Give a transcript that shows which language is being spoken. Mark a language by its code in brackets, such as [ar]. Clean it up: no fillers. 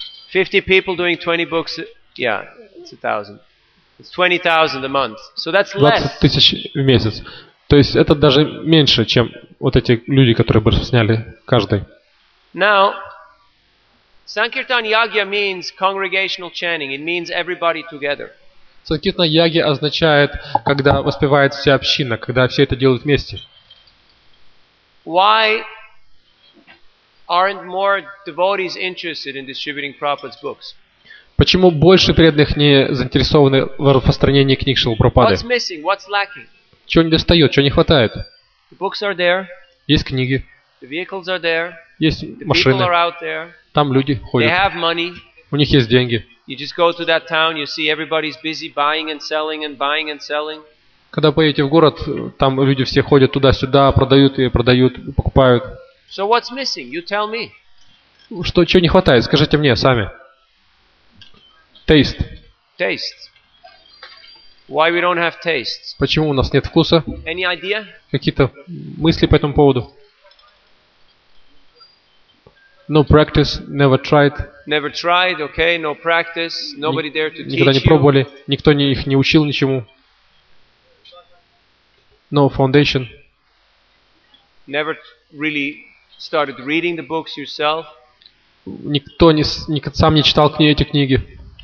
[en] 50 people doing 20 books, yeah, it's 1,000. It's 20,000 a month. So that's less. [ru] 20,000 в месяц. То есть это даже меньше, чем вот эти люди, которые бы сняли каждый. [en] Now, Sankirtan Yagya means congregational chanting. It means everybody together. [ru] Санкиртан Ягья означает, когда воспевает вся община, когда все это делают вместе. [en] Why aren't more devotees interested in distributing Prabhupada's books? [ru] Почему больше преданных не заинтересованы в распространении книг Шрилы Прабхупады? [en] What's missing? What's lacking? [ru] Чего не достает? Чего не хватает? [en] The books are there. [ru] Есть книги. [en] The vehicles are there. [ru] Есть машины. [en] The people are out there. [ru] Там люди ходят. [en] They have money. [ru] У них есть деньги. [en] You just go to that town, you see everybody's busy buying and selling and buying and selling. [ru] Когда поедете в город, там люди все ходят туда-сюда, продают и продают, покупают. [en] So what's missing? You tell me. [ru] Что, чего не хватает? Скажите мне сами. [en] Taste. Taste. Why we don't have taste? [ru] Почему у нас нет вкуса? [en] Any idea? [ru] Какие-то мысли по этому поводу? [en] No practice, never tried. Never tried, okay, no practice, nobody there to teach you. [ru] Никогда не пробовали, никто их не учил ничему. [en] No foundation. Never really started reading the books yourself. [ru] Никто не, ни, сам не читал эти книги.